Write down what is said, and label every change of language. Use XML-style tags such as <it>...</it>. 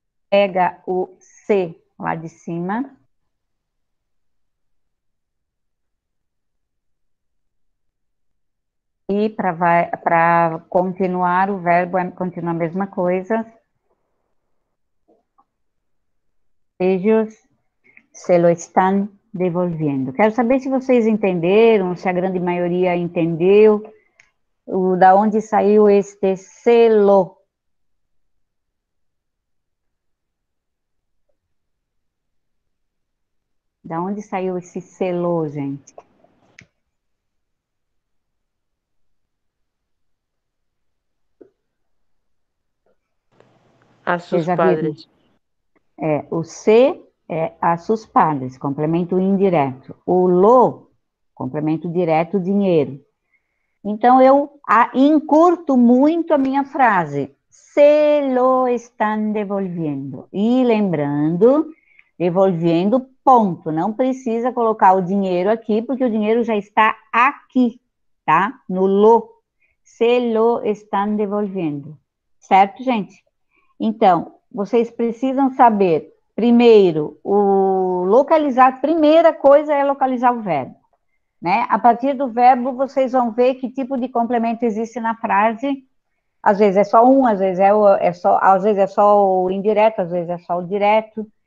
<pt>Pega o C lá de cima. Ejos. E para continuar, o verbo continua a mesma coisa.</pt> <es>Ellos se lo están devolviendo.</es> <pt>Quero saber se vocês entenderam, se a grande maioria entendeu, da onde saiu este selo. Da onde saiu esse selo, gente? A Vocês seus já viram?</pt> <es>padres.</es> <pt>É, o se é</pt> <es>a sus padres,</es> <pt>complemento indireto. O lo, complemento direto, dinheiro. Então, encurto muito a minha frase.</pt> <es>Se lo están devolviendo.</es> <pt>E lembrando, devolvendo, ponto. Não precisa colocar o dinheiro aqui, porque o dinheiro já está aqui, tá?</pt> <es>No lo. Se lo están devolviendo.</es> <pt>Certo, gente? Então, vocês precisam saber primeiro localizar. Primeira coisa é localizar o verbo, né? A partir do verbo, vocês vão ver que tipo de complemento existe na frase. Às vezes é só um, às vezes é só o indireto, às vezes é só o direto.</pt>